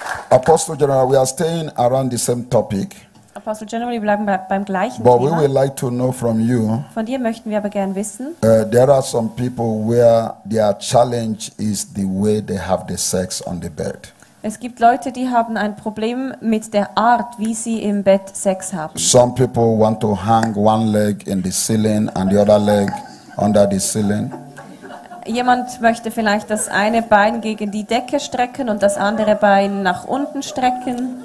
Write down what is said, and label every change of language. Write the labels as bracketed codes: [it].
[en] Apostle General, we are staying around the same topic. [de] Apostle General, wir bleiben beim gleichen [en] but [de] Thema. [en] But we would like to know from you. [de] Von dir möchten wir aber gern wissen. [en] There are some people where their challenge is the way they have the sex on the bed. [de] Es gibt Leute, die haben ein Problem mit der Art, wie sie im Bett Sex haben. [en] Some people want to hang one leg in the ceiling and the other leg under the ceiling. [de] Jemand möchte vielleicht das eine Bein gegen die Decke strecken und das andere Bein nach unten strecken.